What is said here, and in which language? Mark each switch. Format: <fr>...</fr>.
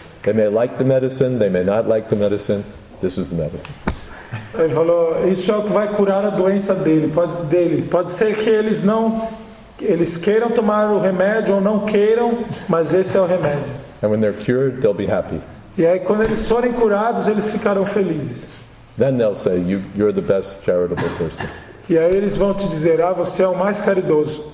<en>They may like the medicine, they may not like the medicine. This is the medicine.</en> <pt>Ele falou, isso é o que vai curar a doença dele. Pode ser que eles queiram tomar o remédio ou não queiram, mas esse é o remédio.</pt> <en>And when they're cured, they'll be happy.</en> <pt>E aí quando eles forem curados, eles ficarão felizes.</pt> <en>Then they'll say, you're the best charitable person.</en> <pt>E aí eles vão te dizer, ah, você é o mais caridoso.</pt>